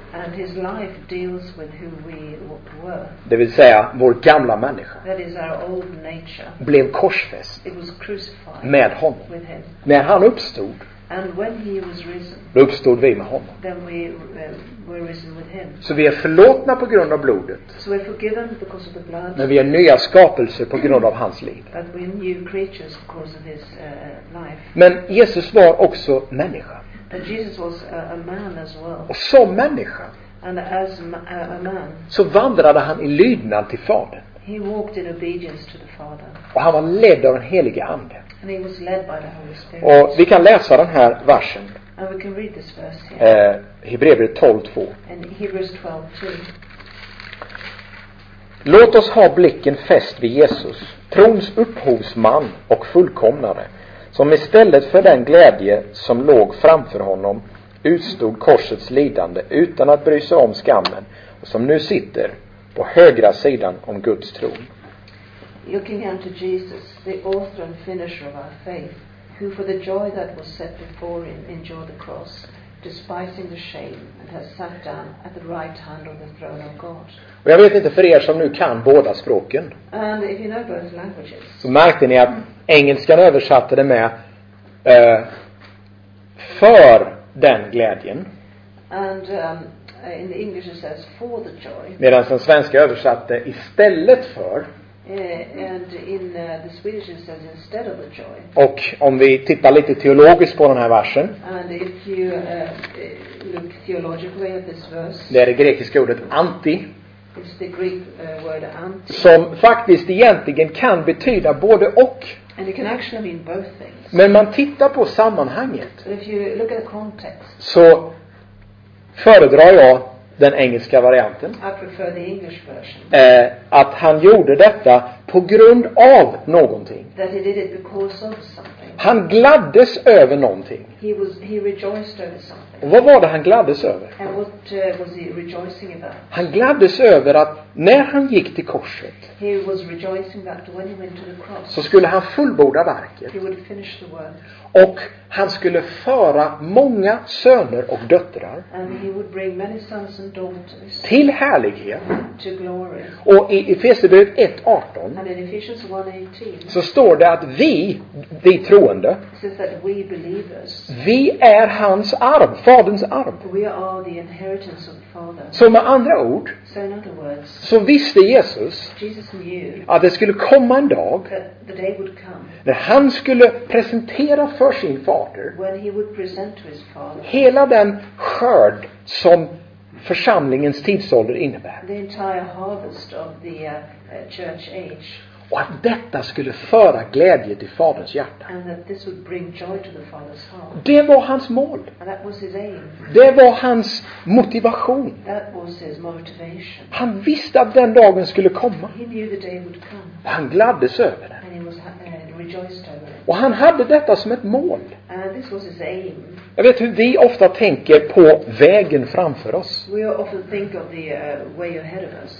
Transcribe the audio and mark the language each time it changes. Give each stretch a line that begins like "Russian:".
English: And his life deals with who we were.
Swedish: Det vill säga vår gamla människa.
English: That is our old nature.
Swedish: Blev korsfäst.
English: It was crucified.
Swedish: Med honom.
English: With him.
Swedish: När han uppstod.
English: And when he was risen.
Swedish: Då uppstod vi med honom.
English: Then we were risen with him.
Swedish: Så vi är förlåtna på grund av blodet.
English: So we're forgiven because of the blood.
Swedish: Men vi är nya skapelser på grund av hans liv.
English: But we're new creatures because of his life.
Swedish: Men Jesus var också människa.
English: But Jesus was a man as well.
Swedish: Och som människa.
English: And as a man.
Swedish: Så vandrade han i lydnad till Fadern.
English: He walked in obedience to the Father.
Swedish: Och han var ledd av den helige ande.
English: And he was led by the Holy Spirit.
Swedish: Och vi kan läsa den här versen.
English: And we can read this verse here.
Swedish: Hebreerbrevet 12:2.
English: And Hebrews 12:2.
Swedish: Låt oss ha blicken fäst vid Jesus, trons upphovsman och fullkomnare, som istället för den glädje som låg framför honom utstod korsets lidande utan att bry sig om skammen, och som nu sitter på högra sidan om Guds tron.
English: Looking unto Jesus, the author and finisher of our faith, who for the joy that was set before him endured the cross, despising the shame, and has sat down at the right hand of the throne of God.
Swedish: Och jag vet inte för er som nu kan båda språken.
English: And if you know both languages.
Swedish: Så märkte ni att engelskan översatte det med för den glädjen.
English: And in the English it says for the joy.
Swedish: Medan den svenska översatte istället för.
English: And in the Swedish it says instead of the joy.
Swedish: Och om vi tittar lite teologiskt på den här versen.
English: And if you look theologically at this verse.
Swedish: Det är det grekiska ordet anti.
English: It's the Greek word anti.
Swedish: Som faktiskt egentligen kan betyda både och.
English: And it can actually mean both things.
Swedish: Men man tittar på sammanhanget.
English: But if you look at the context.
Swedish: Så föredrar jag den engelska varianten.
English: I prefer the English version.
Swedish: Att han gjorde detta på grund av någonting.
English: That he did it because of something.
Swedish: Han gladdes över någonting.
English: He rejoiced over something.
Swedish: Och vad var det han gladdes över?
English: And what, was he rejoicing about?
Swedish: Han gladdes över att när han gick till korset.
English: He was rejoicing that when he went to the cross.
Swedish: Så skulle han fullborda verket.
English: He would finish the work.
Swedish: Och han skulle föra många söner och döttrar.
English: And he would bring many sons and daughters.
Swedish: Till härlighet.
English: To glory.
Swedish: Och i Efesierbrevet 1:18.
English: And in Ephesians 1:18.
Swedish: Så står det att vi troende.
English: Says that we believers.
Swedish: Vi är hans arv. Faderns arv.
English: We are the inheritance of the Father.
Swedish: Så med andra ord.
English: So in other words,
Swedish: så visste Jesus.
English: Jesus knew
Swedish: att det skulle komma en dag.
English: That the day would come.
Swedish: När han skulle presentera för sin fader.
English: When he would present to his father.
Swedish: Hela den skörd som församlingens tidsålder innebär.
English: The entire harvest of the church age.
Swedish: Och att detta skulle föra glädje till faderns hjärta.
English: And that this would bring joy to the father's heart.
Swedish: Det var hans mål.
English: And that was his aim.
Swedish: Det var hans motivation.
English: That was his motivation.
Swedish: Han visste att den dagen skulle komma.
English: He knew the day would come.
Swedish: Och han gladdes över det.
English: And he was, rejoiced over it.
Swedish: Och han hade detta som ett mål.
English: And this was his aim.
Swedish: Jag vet hur vi ofta tänker på vägen framför oss.
English: We often think of the way ahead of us.